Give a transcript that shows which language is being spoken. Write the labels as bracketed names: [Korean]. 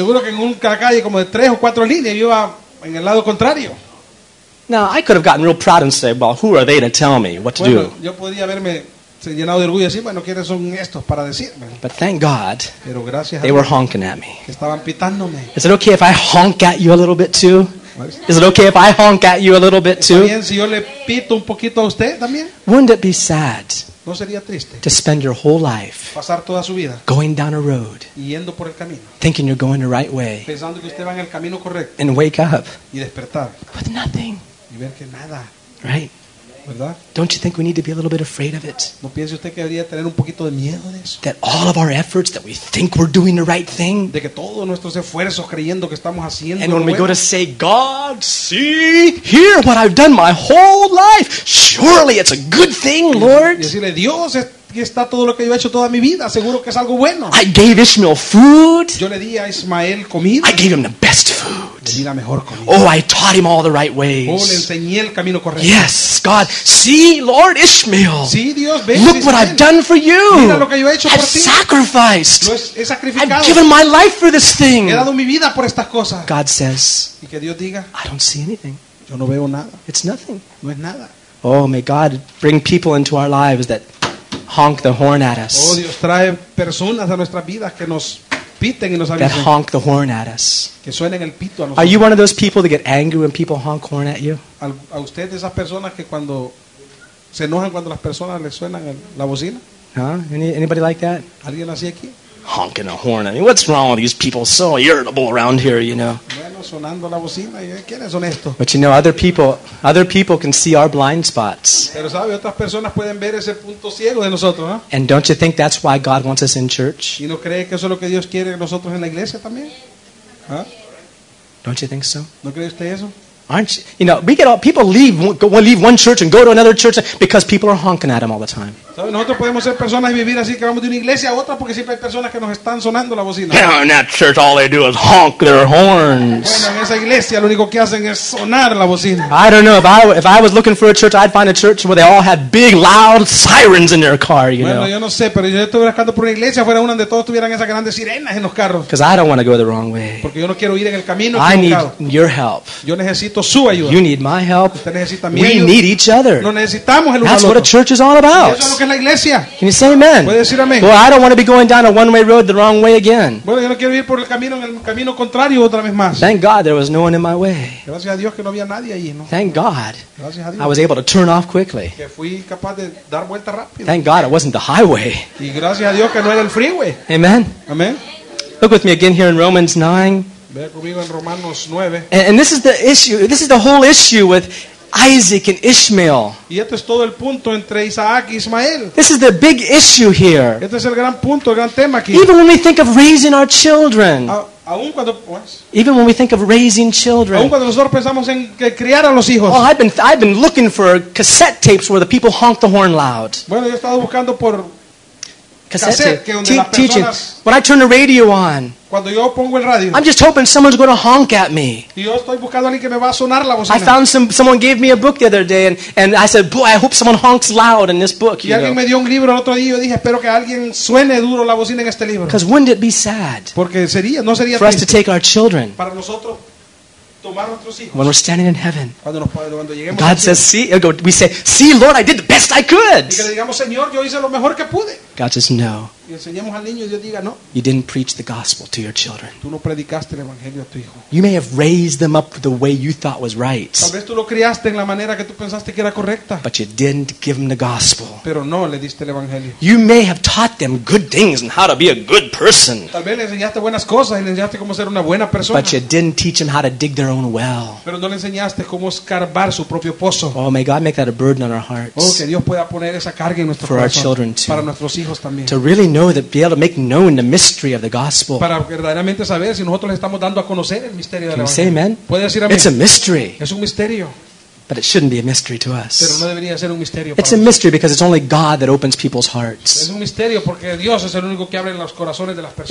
[Spanish] En una calle como de tres o cuatro líneas yo iba en el lado contrario. [English] Now I could have gotten real proud and said, "Well, who are they to tell me what to [Spanish] bueno, [English] do?" [Spanish] Yo podría haberme llenado de orgullo y decir, "Bueno, ¿quiénes son estos para decirme?" [English] But thank God, [Spanish] pero gracias [English] they were honking at me. [Spanish] Estaban pitándome. [English] Is it okay if I honk at you a little bit too? Is it okay if I honk at you a little bit too? [Spanish] ¿Está bien si yo le pito un poquito a usted también? [English] Wouldn't it be sad? [Spanish] ¿No sería triste? [English] To spend your whole life [Spanish] pasar toda su vida [English] going down a road [Spanish] yendo por el camino [English] thinking you're going the right way [Spanish] pensando que usted va en el camino correcto [English] and wake up [Spanish] y despertar [English] with nothing [Spanish] y ver que nada. [English] Right? Don't you think we need to be a little bit afraid of it? [Spanish] ¿No piensa usted que debería tener un poquito de miedo de eso? [English] That all of our efforts that we think we're doing the right thing. [Spanish] De que todos nuestros esfuerzos creyendo que estamos haciendo. [English] And when we go to say, God, see here what I've done my whole life. Surely it's a good thing, Lord. [Spanish] Decirle, Dios, aquí está todo lo que yo he hecho toda mi vida. Seguro que es algo bueno. [English] I gave Ishmael food. [Spanish] Yo le di a Ismael comida. [English] I gave him the best food. [Spanish] Mejor [English] oh, I taught him all the right ways. [Spanish] Oh, le enseñé el camino correcto. [English] Yes, God. See, Lord Ishmael. [Spanish] Sí, Dios, ven, [English] look Ishmael. What I've done for you. [Spanish] Mira lo que yo he hecho [English] I've [Spanish] por ti. [English] Sacrificed. [Spanish] Lo he sacrificado. [English] I've given my life for this thing. [Spanish] He dado mi vida por estas cosas. [English] God says, [Spanish] y que Dios diga, [English] I don't see anything. [Spanish] Yo no veo nada. [English] It's nothing. [Spanish] No es nada. [English] Oh, may God bring people into our lives that honk the horn at us. [Spanish] Oh, Dios, trae personas a nuestras vidas que nos piten y nos avisen. [English] That honk the horn at us. [Spanish] Que suenen el pito a nosotros. [English] Are you one of those people that get angry when people honk horn at you? [Spanish] ¿A usted de esas personas que cuando se enojan cuando las personas le suenan la bocina? [English] Huh? Anybody like that? [Spanish] ¿Alguien así aquí? [English] Honking a horn. I mean, what's wrong with these people? So irritable around here, you know. [Spanish] Bueno, sonando la bocina, ¿quiénes son estos? [English] But you know, other people can see our blind spots. [Spanish] Pero sabe, otras personas pueden ver ese punto ciego de nosotros, ¿no? [English] And don't you think that's why God wants us in church? [Spanish] ¿Y no cree que eso es lo que Dios quiere nosotros en la iglesia también? ¿Huh? [English] Don't you think so? [Spanish] ¿No cree usted eso? [English] Aren't you know, people leave one church and go to another church because people are honking at them all the time. [Spanish] Nosotros podemos ser personas y vivir así que vamos de una iglesia a otra porque siempre hay personas que nos están sonando la bocina. [English] Yeah, in that church all they do is honk their horns. [Spanish] Bueno, en esa iglesia lo único que hacen es sonar la bocina. [English] I don't know, if I was looking for a church, I'd find a church where they all had big loud sirens in their car, you [Spanish] bueno, Bueno, yo no sé, pero yo estuve buscando por una iglesia fuera una donde todos tuvieran esas grandes sirenas en los carros. [English] Because I don't want to go the wrong way. [Spanish] Porque yo no quiero ir en el camino equivocado. [English] I need your help. [Spanish] Yo necesito su ayuda. [English] You need my help. [Spanish] Usted necesita mi ayuda. [English] We need each other. [Spanish] Nos necesitamos el uno al otro. [English] That's what a church is all about. Can you say amen? [Spanish] ¿Puede decir amén? [English] Well, I don't want to be going down a one-way road the wrong way again. [Spanish] Bueno, yo no quiero ir por el camino contrario otra vez más. [English] Thank God there was no one in my way. [Spanish] Gracias a Dios que no había nadie allí, ¿no? [English] Thank God. [Spanish] Gracias a Dios. [English] I was able to turn off quickly. [Spanish] Que fui capaz de dar vuelta rápido. [English] Thank God it wasn't the highway. [Spanish] Y gracias a Dios que no era el freeway. [English] Amen. [Spanish] Amen. [English] Look with me again here in Romans 9. [Spanish] Ve conmigo en Romanos 9. [English] And this is the issue. This is the whole issue with Isaac and Ishmael. [Spanish] Y este es todo el punto entre Isaac y Ismael. [English] This is the big issue here. [Spanish] Este es el gran punto, el gran tema aquí. [English] Even when we think of raising our children. Even when we think of raising children. [Spanish] Aun cuando nosotros pensamos en criar a los hijos. [English] Oh, I've been looking for cassette tapes where the people honk the horn loud. [Spanish] Bueno, yo estaba buscando por [English] cassette teaching. When I turn the radio on. [Spanish] Cuando yo pongo el radio, [English] I'm just hoping someone's going to honk at me. [Spanish] Yo estoy buscando a alguien que me va a sonar la bocina. [English] I found someone gave me a book the other day and I said, boy, I hope someone honks loud in this book. [Spanish] Y alguien me dio un libro el otro día y yo dije, espero que alguien suene duro la bocina en este libro. [English] Because wouldn't it be sad [Spanish] porque sería, no sería [English] for us to take our children [Spanish] para nosotros tomar nuestros hijos [English] when we're standing in heaven. [Spanish] Cuando lleguemos [English] God says, see, we say, see, Lord, I did the best I could. [Spanish] Y que le digamos, Señor, yo hice lo mejor que pude. [English] God says, no. [Spanish] Y enseñemos al niño, Dios diga, no. [English] You didn't preach the gospel to your children. [Spanish] Tú no predicaste el evangelio a tu hijo. [English] You may have raised them up the way you thought was right. [Spanish] Tal vez tú lo criaste en la manera que tú pensaste que era correcta. [English] But you didn't give them the gospel. [Spanish] Pero no le diste el evangelio. [English] You may have taught them good things and how to be a good person. [Spanish] Tal vez le enseñaste buenas cosas y le enseñaste cómo ser una buena persona. [English] But you didn't teach them how to dig their own well. [Spanish] Pero no le enseñaste cómo escarbar su propio pozo. [English] Oh, may God make that a burden on our hearts. [Spanish] Oh, que Dios pueda poner esa carga en nuestros corazones. [English] For our children too. [Spanish] Para nuestros hijos también. [English] To really know that be able to make known the mystery of the gospel. [Spanish] Para verdaderamente saber si nosotros les estamos dando a conocer el misterio del evangelio. [English] Can you say amen? [Spanish] ¿Puede decir amén? [English] It's a mystery. [Spanish] Es un misterio. [English] But it shouldn't be a mystery to us. [Spanish] Pero no debería ser un misterio para [English] it's a mystery because it's only God that opens people's hearts. [Spanish] Es un misterio porque Dios es el único que abre los corazones de las personas.